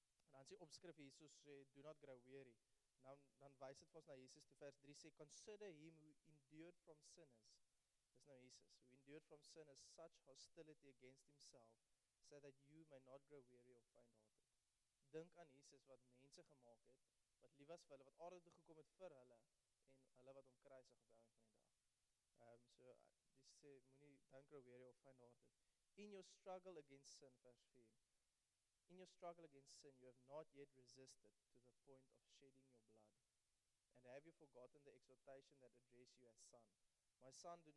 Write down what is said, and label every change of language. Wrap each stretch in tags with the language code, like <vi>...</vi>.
<af>En dan sê opskrif hierso sê,</af> <en>do not grow weary.</en> <af>Dan wys dit ons na Jesus toe, vers 3 sê,</af> <en>consider him who endured from sinners,</en> <af>dis nou Jesus,</af> <en>who endured from sinners such hostility against himself, so that you may not grow weary or find hearted.</en> <af>Dink aan Jesus wat mense gemaak het, wat lief was vir hulle, wat aarde toe gekom het vir hulle, en hulle wat omkruisig op die einde van die dag. Dis sê, moenie</af> <en>don't grow weary or find hearted. In your struggle against sin, vers 4, in your struggle against sin, you have not yet resisted to the point of shedding your blood. And have you forgotten the exhortation that addressed you as son?</en>